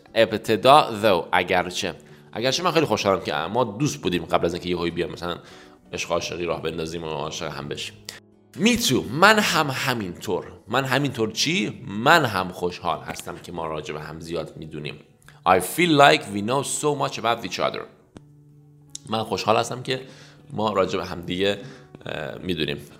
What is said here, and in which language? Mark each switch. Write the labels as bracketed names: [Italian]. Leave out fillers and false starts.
[Persian] ابتدا [English] though. [Persian] اگرچه من خیلی خوشحالم که ما دوست بودیم قبل از اینکه یه هایی بیام مثلا عشق عاشقی راه بندازیم و عاشق هم بشیم. [English] Me too. [Persian] من هم همینطور. من همینطور چی؟ من هم خوشحال هستم که ما راجع به هم زیاد میدونیم. [English] I feel like we know so much about each other. [Persian] من خوشحال هستم که ما راجع به هم دیگه میدونیم.